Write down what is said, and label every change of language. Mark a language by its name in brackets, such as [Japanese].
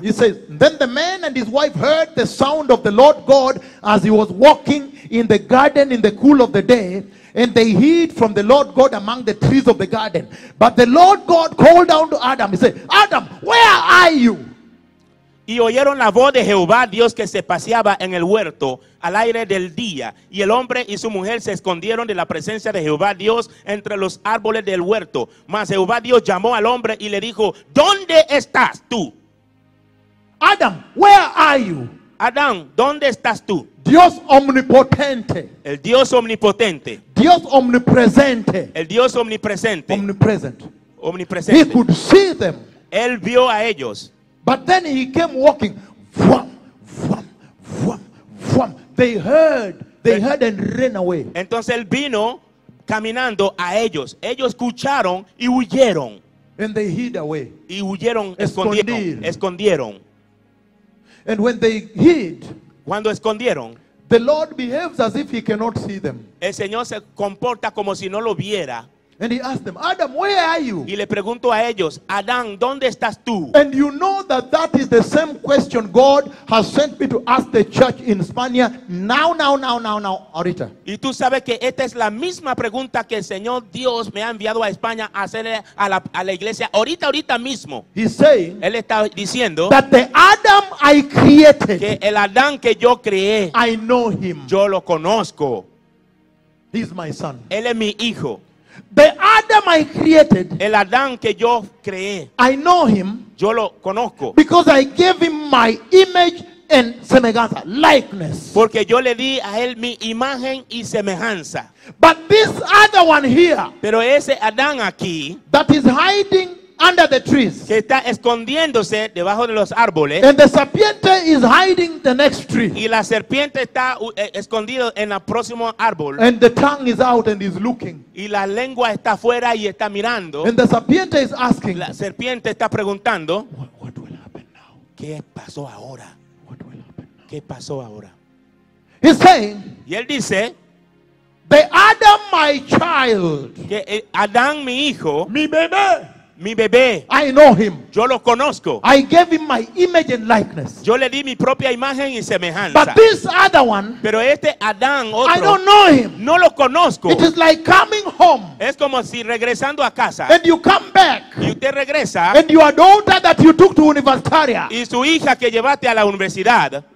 [English] He says, then the man and his wife heard the sound of the Lord God as he was walking in the garden in the cool of the day, and they hid from the Lord God among the trees of the garden. But the Lord God called down to Adam. He said, Adam, where are you? [Spanish] Y oyeron la voz de Jehová, Dios, que se paseaba en el huerto al aire del día. Y el hombre y su mujer se escondieron de la presencia de Jehová, Dios, entre los árboles del huerto. Mas Jehová, Dios, llamó al hombre y le dijo, ¿dónde estás tú? [English] Adam, where are you? [Spanish] Adam, ¿dónde estás tú? Dios omnipotente. El Dios omnipotente. Dios omnipresente. El Dios omnipresente. [English] Omnipresent. [Spanish] Omnipresente. [English] He could see them. [Spanish] Él vio a ellos. [English] But then he came walking. Vroom, vroom, vroom, vroom. They heard and ran away. [Spanish] Entonces él vino caminando a ellos. Ellos escucharon y huyeron. [English] And they hid away. [Spanish] Y huyeron, escondieron. [English] And when they hid, [Spanish] cuando escondieron, [English] the Lord behaves as if he cannot see them. [Spanish] El Señor se comporta como si no lo viera. [English] And he asked them, Adam, where are you? [Spanish] Y le pregunto a ellos, Adán, ¿dónde estás tú? [English] And you know that is the same question God has sent me to ask the church in Spania now, [Spanish] ahorita. Y tú sabes que esta es la misma pregunta que el Señor Dios me ha enviado a España a hacerle a la iglesia ahorita mismo. [English] He's saying, [Spanish] él está diciendo, [English] that the Adam I created, [Spanish] que el Adán que yo creé, [English] I know him. [Spanish] Yo lo conozco. [English] He's my son. [Spanish] Él es mi hijo. [English] The Adam I created. [Spanish] El Adán que yo creé. [English] I know him. [Spanish] Yo lo conozco. [English] Because I gave him my image and [Spanish] semejanza, [English] likeness. [Spanish] Porque yo le di a él mi imagen y semejanza. [English] But this other one here. [Spanish] Pero ese Adán aquí. [English] That is hiding under the trees. [Spanish] Que está escondiéndose debajo de los árboles. [English] And the serpent is hiding the next tree. [Spanish] Y la serpiente está escondido en el próximo árbol. [English] And the tongue is out and is looking. [Spanish] Y la lengua está fuera y está mirando. [English] And the serpent is asking. [Spanish] La serpiente está preguntando. [English] What will happen now? [Spanish] ¿Qué pasó ahora? [English] What will happen now? [Spanish] ¿Qué pasó ahora? [English] He's saying. [Spanish] Y él dice. [English] The Adam, my child. [Spanish] Que Adán, mi hijo. Mi bebé. Mi bebé. [English] I know him. [Spanish] Yo lo conozco. [English] I gave him my image and likeness. [Spanish] Yo le di mi propia imagen y semejanza. [English] But this other one. [Spanish] Pero este Adán otro. [English] I don't know him. [Spanish] No lo conozco. [English] It is like coming home. [Spanish] Es como si regresando a casa. [English] And you come back. [Spanish] Y usted regresa. [English] And your daughter that you took to [Spanish] universitaria. Y su hija que llevaste a la universidad.